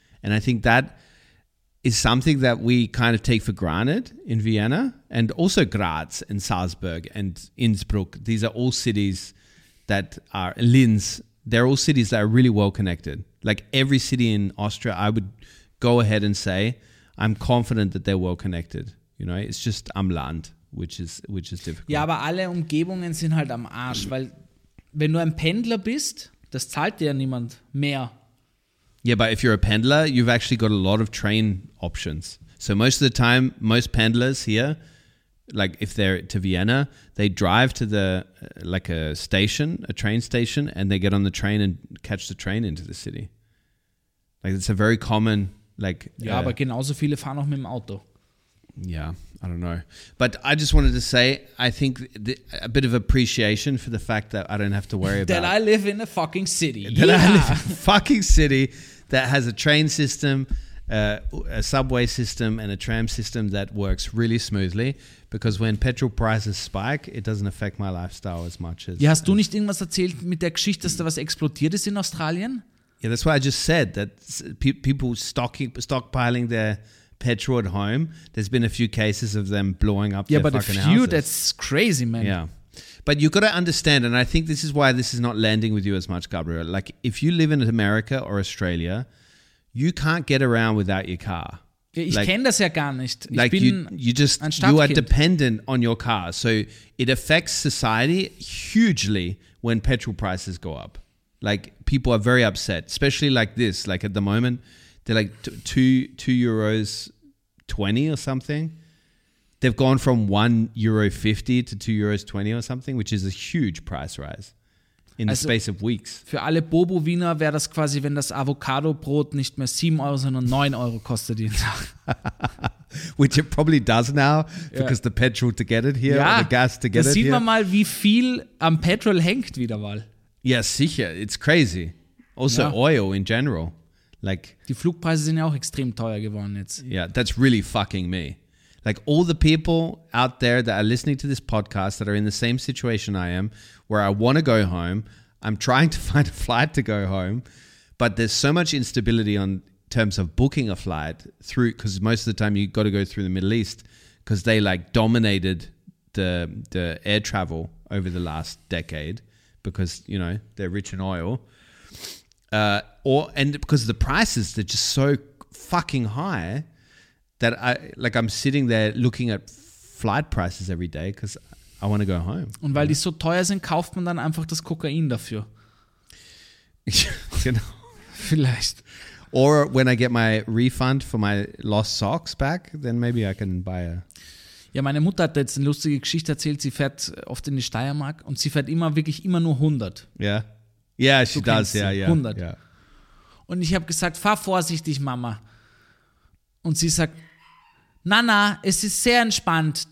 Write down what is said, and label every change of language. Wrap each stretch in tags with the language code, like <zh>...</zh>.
<en>And I think that is something that we kind of take for granted in Vienna, and also Graz and Salzburg and Innsbruck. These are all cities that are, Linz, they're all cities that are really well connected. Like every city in Austria, I would go ahead and say, I'm confident that they're well connected. You know, it's just</en> <de>am Land,</de> <en>which is difficult.</en> <de>Ja, aber alle Umgebungen sind halt am Arsch, weil wenn du ein Pendler bist, das zahlt dir ja niemand mehr.</de> <en>Yeah, but if you're a pendler, you've actually got a lot of train options. So most of the time, most pendlers here, like if they're to Vienna, they drive to the a train station, and they get on the train and catch the train into the city. Like, it's a very common, like...</en> <de>Ja, aber genauso viele fahren auch mit dem Auto.</de> <en>Yeah, I don't know. But I just wanted to say, I think a bit of appreciation for the fact that I don't have to worry about... That I live in a fucking city. I live in a fucking city that has a train system, a subway system, and a tram system that works really smoothly. Because when petrol prices spike, it doesn't affect my lifestyle as much as...</en> <de>Ja, hast du nicht irgendwas erzählt mit der Geschichte, dass da was explodiert ist in Australien?</de> <en>Yeah, that's what I just said, that people stockpiling their petrol at home. There's been a few cases of them blowing up their fucking houses. Yeah, but a few, that's crazy, man. Yeah. But you've got to understand, and I think this is why this is not landing with you as much, Gabriel. Like, if you live in America or Australia, you can't get around without your car.</en> <de>Ich kenne das ja gar nicht.</de> <en>Like, you are dependent on your car. So it affects society hugely when petrol prices go up. Like, people are very upset, especially like this, like at the moment. They're like €2.20 or something. They've gone from €1.50 to €2.20 or something, which is a huge price rise in the space of weeks.</en> <de>Für alle Bobo-Wiener wäre das quasi, wenn das Avocado-Brot nicht mehr 7 €, sondern 9 € kostet jeden Tag.</de> <en>Which it probably does now, because the petrol to get it here, or the gas to get it here.</en> <de>Da sieht man mal, wie viel am Petrol hängt wieder mal. Ja, sicher.</de> <en>It's crazy. Also oil in general. Like,</en> <de>die Flugpreise sind ja auch extrem teuer geworden jetzt.</de> <en>Yeah, that's really fucking me. like all the people out there that are listening to this podcast that are in the same situation I am, where I want to go home. I'm trying to find a flight to go home, but there's so much instability on terms of booking a flight through, because most of the time you got to go through the Middle East, because they like dominated the air travel over the last decade, because, you know, they're rich in oil. And because the prices, they're just so fucking high that I'm sitting there looking at flight prices every day because I want to go home.</en> <de>Und weil die so teuer sind, kauft man dann einfach das Kokain dafür. Genau. Vielleicht.</de> <en>Or when I get my refund for my lost socks back, then maybe I can buy a...</en> <de>Ja, meine Mutter hat jetzt eine lustige Geschichte erzählt. Sie fährt oft in die Steiermark und sie fährt immer, wirklich immer nur 100.</de> <en>Ja, yeah. Yeah, she does, yeah, yeah. 100. Yeah.</en> <de>Und ich habe gesagt, fahr vorsichtig, Mama. Und sie sagt, Nana, es ist sehr entspannt.</de>